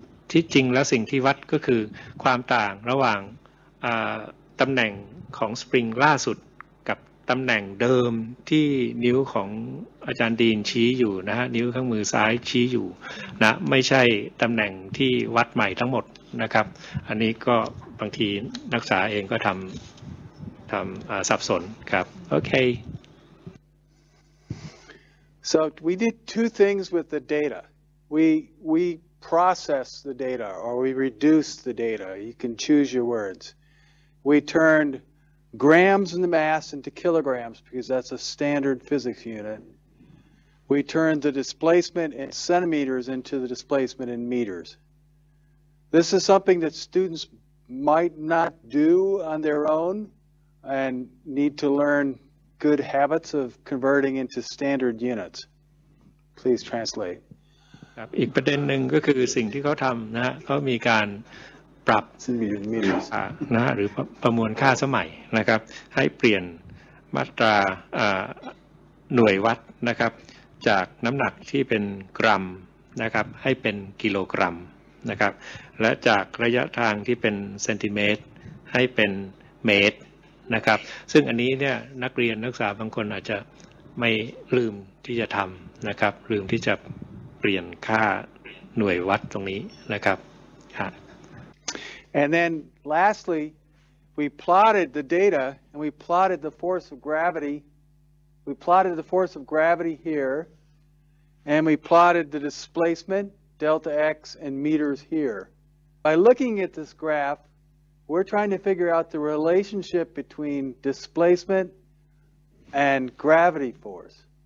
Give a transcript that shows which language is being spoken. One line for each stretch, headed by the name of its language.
Thai: ที่จริงแล้วสิ่งที่วัดก็คือความต่างระหว่างตำแหน่งของสปริงล่าสุดกับตำแหน่งเดิมที่นิ้วของอาจารย์ดีนชี้อยู่นะฮะนิ้วข้างมือซ้ายชี้อยู่นะไม่ใช่ตำแหน่งที่วัดใหม่ทั้งหมดนะครับอันนี้ก็บางทีนักศึกษาเองก็ทำสับสนครับโอเค
English: So we did two things with the data. We process the data, or we reduce the data. You can choose your words. We turned grams in the mass into kilograms because that's a standard physics unit. We turned the displacement in centimeters into the displacement in meters. This is something that students might not do on their own and need to learn good habits of converting into standard units. Please translate.
Thai: ครับอีกประเด็นหนึ่งก็คือสิ่งที่เขาทำนะฮะเขามีการปรับนะฮะหรือประมวลค่าสมัยนะครับให้เปลี่ยนมาตรา หน่วยวัดนะครับจากน้ำหนักที่เป็นกรัมนะครับให้เป็นกิโลกรัมนะครับและจากระยะทางที่เป็นเซนติเมตรให้เป็นเมตรนะครับซึ่งอันนี้เนี่ยนักเรียนนักศึกษาบางคนอาจจะไม่ลืมที่จะทำนะครับลืมที่จะเปลี่ยนค่าหน่วยวัดตรงนี้นะครับ
English: And then lastly we plotted the data and we plotted the force of gravity we plotted the force of gravity here and we plotted the displacement delta x in meters here by looking at this graph we're trying to figure out the relationship between displacementand gravity force.